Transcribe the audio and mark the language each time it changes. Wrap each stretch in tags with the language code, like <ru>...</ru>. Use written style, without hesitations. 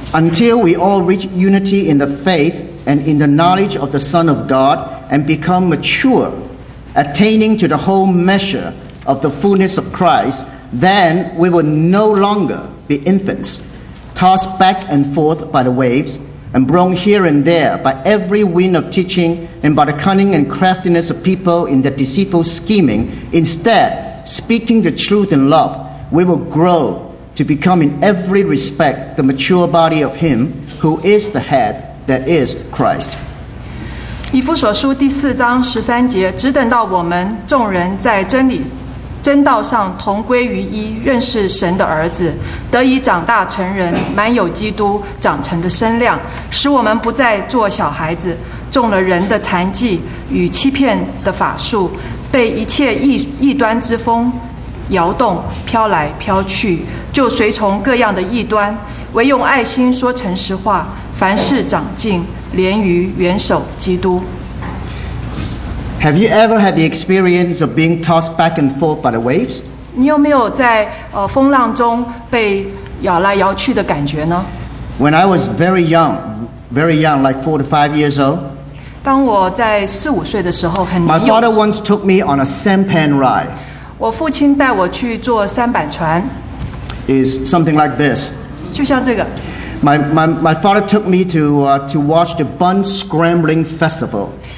<en>Until we all reach unity in the faith. And in the knowledge of the Son of God, and become mature, attaining to the whole measure of the fullness of Christ, then we will no longer be infants, tossed back and forth by the waves, and blown here and there by every wind of teaching, and by the cunning and craftiness of people in their deceitful scheming. Instead, speaking the truth in love, we will grow to become in every respect the mature body of Him who is the head. That is Christ.</en> <zh>以弗所书第四章十三节，只等到我们众人在真理、真道上同归于一，认识神的儿子，得以长大成人，满有基督长成的身量，使我们不再做小孩子，中了人的残疾与欺骗的法术，被一切 异端之风摇动，飘来飘去，就随从各样的异端，唯用爱心说诚实话，凡事长进，连于元首基督。</zh> <en>Have you ever had the experience of being tossed back and forth by the waves?</en> <zh>你有没有在风浪中被摇来摇去的感觉呢？</zh> <en>When I was very young, like 4 to 5 years old,</en> <zh>当我在四五岁的时候，很</zh> <en>My father once took me on a sampan ride.</en> <zh>我父亲带我去坐三板船。</zh> <en>Is something like this.</en> <zh>就像这个。</zh> <en>My father took me to watch the bun scrambling festival.</en>